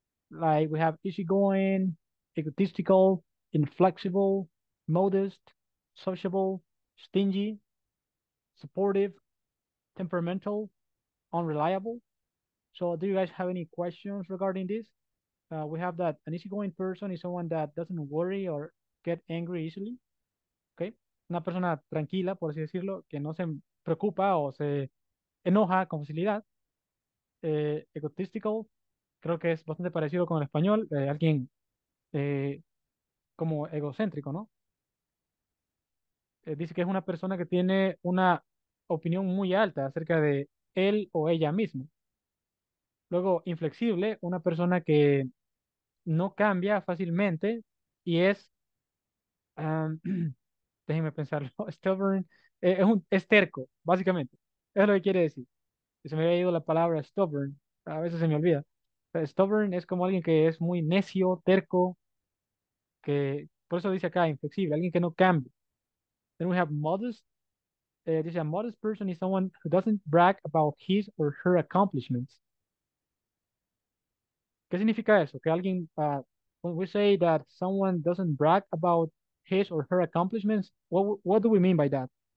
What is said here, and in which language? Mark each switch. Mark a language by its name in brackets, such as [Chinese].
[English] Like we have easygoing, egotistical, inflexible, modest, sociable, stingy, supportive, temperamental, unreliable. So do you guys have any questions regarding this? We have that an easygoing person is someone that doesn't worry or get angry easily. Okay. [Spanish] Una persona tranquila, por así decirlo, que no se preocupa o se enoja con facilidad. Egotistical, creo que es bastante parecido con el español. Alguien como egocéntrico, ¿no? Dice que es una persona que tiene una opinión muy alta acerca de él o ella mismo. Luego, inflexible, una persona que no cambia fácilmente y es, déjenme pensarlo, stubborn, es terco, básicamente. Es lo que quiere decir. Se me había ido la palabra stubborn, a veces se me olvida. Stubborn es como alguien que es muy necio, terco, que por eso dice acá inflexible, alguien que no cambia. [English] Then we have modest. [Spanish] Dice, [English] a modest person is someone who doesn't brag about his or her accomplishments. [Spanish] ¿Qué significa eso? Que alguien, [English] when we say that someone doesn't brag about his or her accomplishments, what do we mean by that?